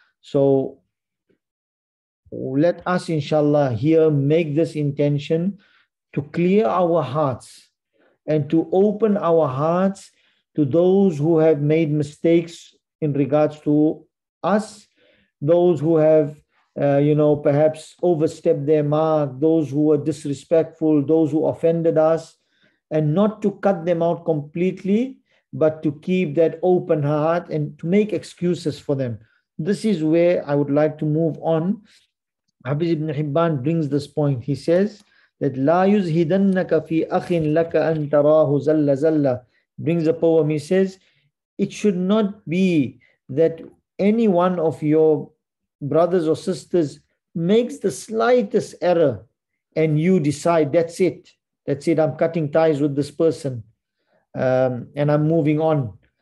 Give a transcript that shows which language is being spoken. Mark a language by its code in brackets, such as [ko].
[en] So let us, inshallah, here make this intention to clear our hearts and to open our hearts to those who have made mistakes in regards to us, those who have, perhaps overstepped their mark, those who were disrespectful, those who offended us, and not to cut them out completely, but to keep that open heart and to make excuses for them. This is where I would like to move on. Hafiz ibn Hibban brings this point. He says that [ar] لا يزهدنك في أخ لك أن تراه زل زل. [en] Brings a poem, he says, it should not be that any one of your brothers or sisters makes the slightest error and you decide, that's it, I'm cutting ties with this person and I'm moving on.